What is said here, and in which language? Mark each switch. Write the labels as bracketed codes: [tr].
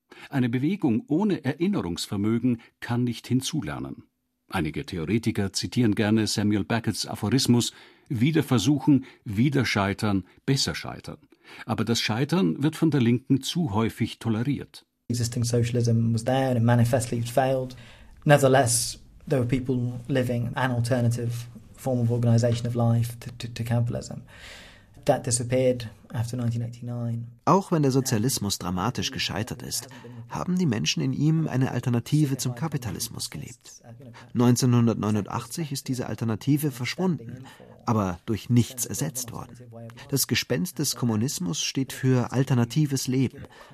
[de] Eine Bewegung ohne Erinnerungsvermögen kann nicht hinzulernen. Einige Theoretiker zitieren gerne Samuel Beckets Aphorismus: Wieder versuchen, wieder scheitern, besser scheitern. Aber das Scheitern wird von der Linken zu häufig toleriert. [en] existing socialism was there and it manifestly failed. Nevertheless, there were people living an alternative form of organization of life to capitalism. That disappeared after 1989. [de] Auch wenn der Sozialismus dramatisch gescheitert ist, haben die Menschen in ihm eine Alternative zum Kapitalismus gelebt. 1989 ist diese Alternative verschwunden, aber durch nichts ersetzt worden. Das Gespenst des Kommunismus steht für alternatives Leben.